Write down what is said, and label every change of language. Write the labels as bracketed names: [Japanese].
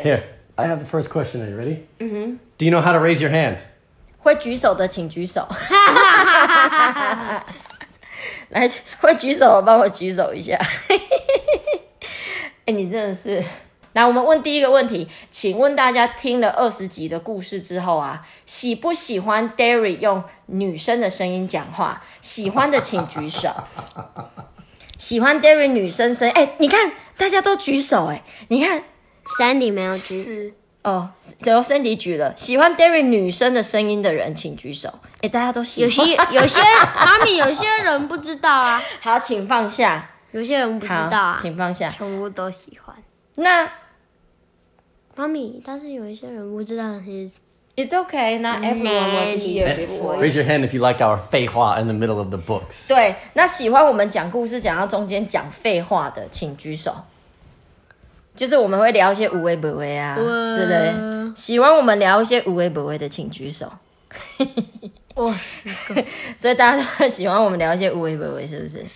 [English] Here, I have the first question. Are you ready? Mm-hmm. Do you know how to raise your hand? [Chinese] 会举手的请举手。来，会举手的帮我举手一下。哎、欸，你真的是。来，我们问第一个问题，请问大家听了20集的故事之后啊，喜不喜欢 Derry 用女生的声音讲话？喜欢的请举手。喜欢 Derry 女生声音？哎、欸，你看大家都举手、欸，哎，你看 Sandy 没有举，哦，只有 Sandy 举了。喜欢 Derry 女生的声音的人请举手。哎、欸，大家都喜欢。有些妈咪，有些人不知道啊。好，请放下。有些人不知道啊，请放下。全部都喜欢。那妈咪，但是有一些人不知道 his [English] It's okay, not everyone was here before. Raise your hand if you like our 废话 in the middle of the books. [Chinese] 对，那喜欢我们讲故事讲到中间讲废话的请举手。就是我们会聊一些无微不微啊之类，喜欢我们聊一些无微不微的请举手。哇塞，所以大家都很喜欢我们聊一些无微不微，是不是？